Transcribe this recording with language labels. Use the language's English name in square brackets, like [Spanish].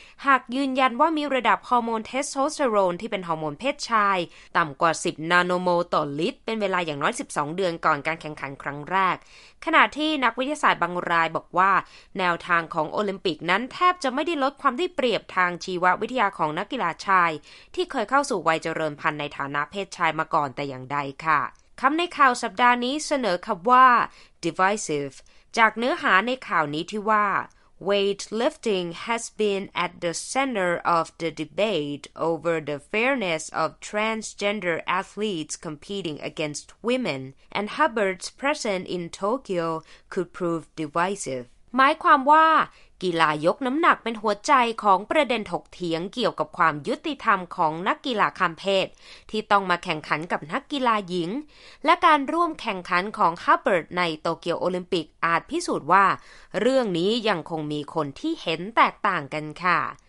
[Thai] หากยืนยันว่ามีระดับฮอร์โมนเทสโทสเตอโรนที่เป็นฮอร์โมนเพศชายต่ำกว่า10นาโนโมต่อลิตรเป็นเวลาอย่างน้อย12เดือนก่อนการแข่งขันครั้งแรกขณะที่นักวิทยาศาสตร์บางรายบอกว่าแนวทางของโอลิมปิกนั้นแทบจะไม่ได้ลดความได้เปรียบทางชีววิทยาของนักกีฬาชายที่เคยเข้าสู่วัยเจริญพันธุ์ในฐานะเพศชายมาก่อนแต่อย่างใดค่ะคำในข่าวสัปดาห์นี้เสนอคำว่า divisive จากเนื้อหาในข่าวนี้ที่ว่า [English] weightlifting has been at the center of the debate over the fairness of transgender athletes competing against women, and Hubbard's presence in Tokyo could prove divisive. [Thai] หมายความว่ากีฬายกน้ำหนักเป็นหัวใจของประเด็นถกเถียงเกี่ยวกับความยุติธรรมของนักกีฬาข้ามเพศที่ต้องมาแข่งขันกับนักกีฬาหญิงและการร่วมแข่งขันของฮับเบิร์ตในโตเกียวโอลิมปิกอาจพิสูจน์ว่าเรื่องนี้ยังคงมีคนที่เห็นแตกต่างกันค่ะ